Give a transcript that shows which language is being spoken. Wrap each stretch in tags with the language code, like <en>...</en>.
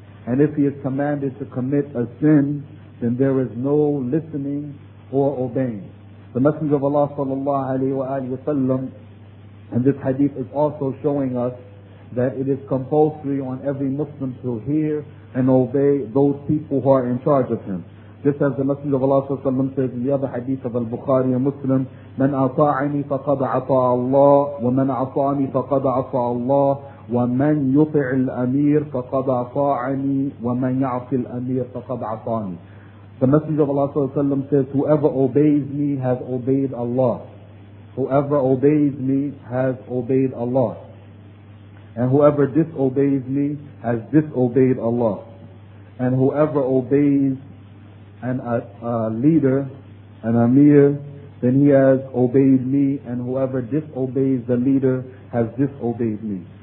<en>And if he is commanded to commit a sin, then there is no listening or obeying. The Messenger of Allah sallallahu alayhi wa sallam in this hadith is also showing us that it is compulsory on every Muslim to hear and obey those people who are in charge of him. Just as the Messenger of Allah sallallahu alayhi wa sallam says in the other hadith of Al-Bukhari and Muslim,</en> <ar>من أطاعني فقد أطاع الله ومن عصاني فقد عصى الله ومن يطع الأمير فقد أطاعني ومن يعصي الأمير فقد عصاني.</ar> <en>The Messenger of Allah sallallahu alayhi wa sallam says, whoever obeys me has obeyed Allah. Whoever obeys me has obeyed Allah. And whoever disobeys me has disobeyed Allah. And whoever obeys a leader, an Amir, then he has obeyed me. And whoever disobeys the leader has disobeyed me.</en>